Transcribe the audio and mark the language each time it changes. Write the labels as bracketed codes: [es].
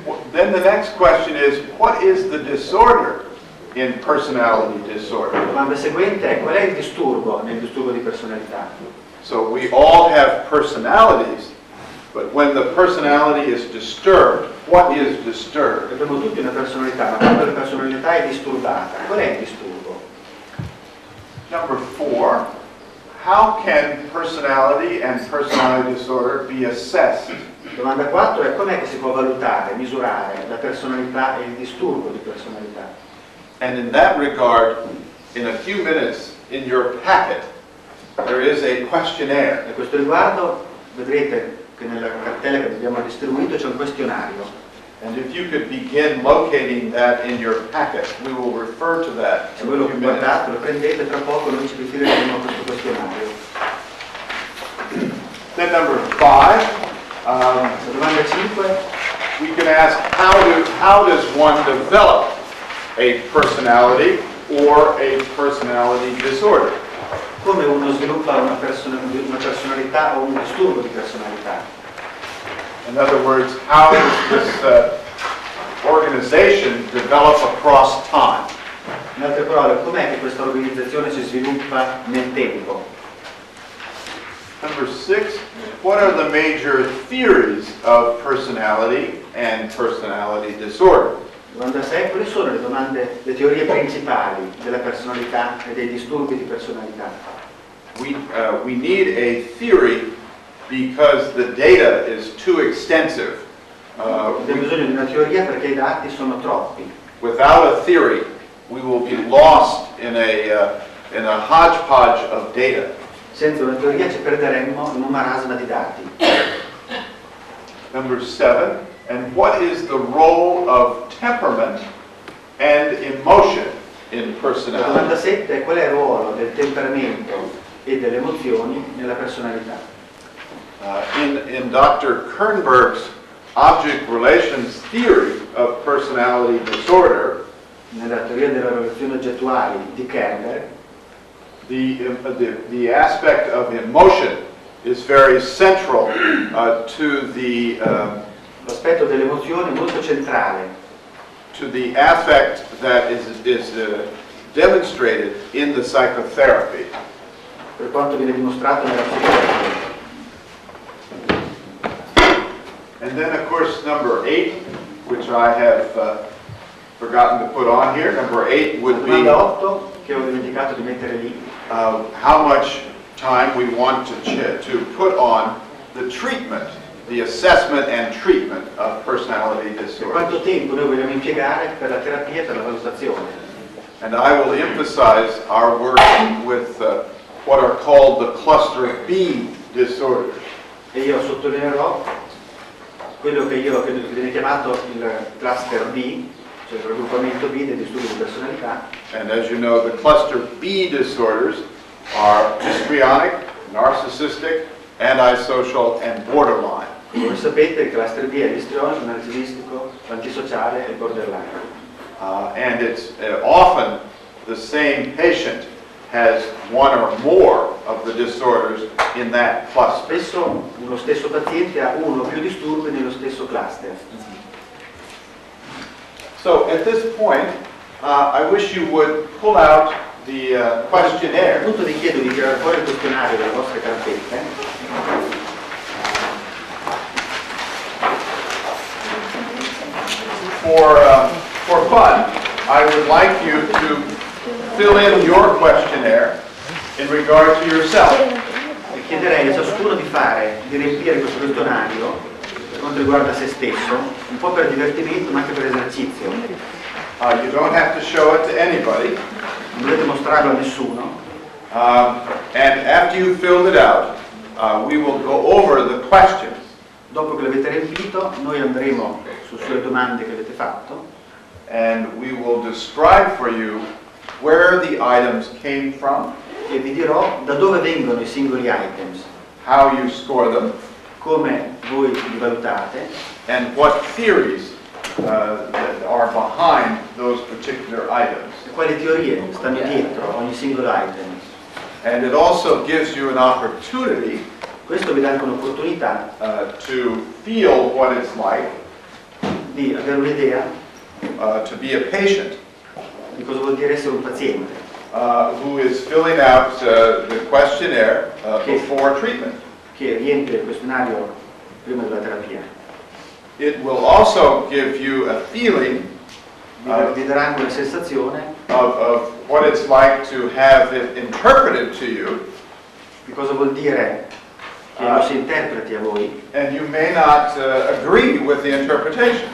[en] Then the next question is, what is the disorder in personality disorder? [it] La domanda seguente è, qual è il disturbo nel disturbo di personalità? [en] So we all have personalities, but when the personality is disturbed, what is disturbed? [it] Abbiamo tutti una personalità, ma quando la personalità è disturbata, qual è il disturbo? [en] Number 4, How can personality and personality disorder be assessed? [it] Domanda 4 è: com'è che si può valutare, misurare la personalità e il disturbo di personalità? [en] And in that regard, in a few minutes in your packet, there is a questionnaire. [it] A questo riguardo, vedrete che nella cartella che abbiamo distribuito c'è un questionario. [en] And if you could begin locating that in your packet, we will refer to that. [it] Se voi lo guardate, lo prendete, tra poco noi ci riferiremo a questo questionario. [en] Then number 5. [it] Domanda 5. [en] We can ask how does one develop a personality or a personality disorder? [it] Come uno sviluppa una personalità o un disturbo di personalità? [en] In other words, how does this organization develop across time? [it] In altre parole, com'è che questa organizzazione si sviluppa nel tempo? [en] Number 6, what are the major theories of personality and personality disorder? [it] Domanda 6, quali sono le teorie principali della personalità e dei disturbi di personalità? [en] We need a theory because the data is too extensive. [it] Abbiamo bisogno di una teoria perché i dati sono troppi. [en] Without a theory, we will be lost in a hodgepodge of data. [it] Senza una teoria ci perderemmo in un marasma di dati. [en] Number 7, and what is the role of temperament and emotion in personality? [it] La domanda 7 è: qual è il ruolo del temperamento e delle emozioni nella personalità? [en] In Dr. Kernberg's object relations theory of personality disorder, [it] nella teoria delle relazioni oggettuali di Kernberg, [en] the aspect of emotion is very central to the [it] l'aspetto dell'emozione molto centrale [en] to the affect that is demonstrated in the psychotherapy, [it] per quanto viene dimostrato nella psicoterapia. [en] And then, of course, number 8, which I have forgotten to put on here, number 8 would be how much time we want to put on the treatment, the assessment and treatment of personality disorder. [it] Quanto tempo noi vogliamo impiegare per la terapia e per la valutazione? [en] And I will emphasize our work with what are called the cluster B disorders. [it] E io sottolineerò quello che viene chiamato il cluster B, cioè il raggruppamento B dei disturbi di personalità. [en] And as you know, the cluster B disorders are histrionic, narcissistic, antisocial, and borderline. [it] Come sapete, il cluster B è histrionico, narcisistico, antisociale e borderline. [en] And it's often the same patient has one or more of the disorders in that cluster. [it] Spesso uno stesso paziente ha uno o più disturbi nello stesso cluster. [en] So at this point, I wish you would pull out the questionnaire. [it] Appunto vi chiedo di tirare fuori il questionario dalle vostre cartelle. [en] For fun, I would like you to fill in your questionnaire in regard to yourself. [it] E chiederei a ciascuno di riempire questo questionario per quanto riguarda se stesso, un po' per divertimento ma anche per esercizio. [en] You don't have to show it to anybody. [it] Non dovete mostrarlo a nessuno. [en] And after you've filled it out, we will go over the questions. [it] Dopo che l'avete riempito, noi andremo sulle domande che avete fatto. [en] And we will describe for you where the items came from. [it] E vi dirò da dove vengono i singoli items. [en] How you score them. [it] Come voi li valutate. [en] And what theories that are behind those particular items. [it] E quali teorie stanno dietro ogni singolo item. [en] And it also gives you an opportunity. [it] Questo vi dà anche un'opportunità. [en] To feel what it's like. [it] Di avere un'idea. [en] To be a patient. [it] Di cosa vuol dire essere un paziente? [en] Who is filling out the questionnaire before treatment? [it] Che riempie il questionario prima della terapia. [en] It will also give you a feeling. [it] Vi darà anche una sensazione [en] of what it's like to have it interpreted to you [it] Che cosa vuol dire che lo si interpreti a voi? [en] And you may not agree with the interpretation.